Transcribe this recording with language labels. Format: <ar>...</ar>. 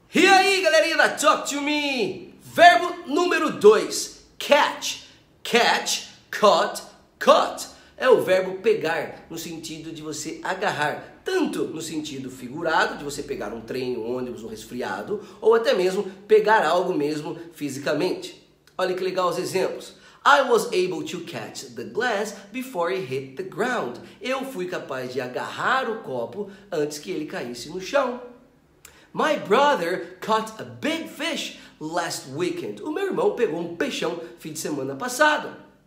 <pt>E aí, galerinha da Talk To Me! Verbo número 2, catch. Catch, caught, caught. É o verbo pegar, no sentido de você agarrar. Tanto no sentido figurado, de você pegar um trem, um ônibus, um resfriado, ou até mesmo pegar algo mesmo fisicamente. Olha que legal os exemplos.</pt> <en>I was able to catch the glass before it hit the ground.</en> <pt>Eu fui capaz de agarrar o copo antes que ele caísse no chão.</pt> <en>My brother caught a big fish last weekend.</en> <pt>O meu irmão pegou um peixão fim de semana passado.</pt>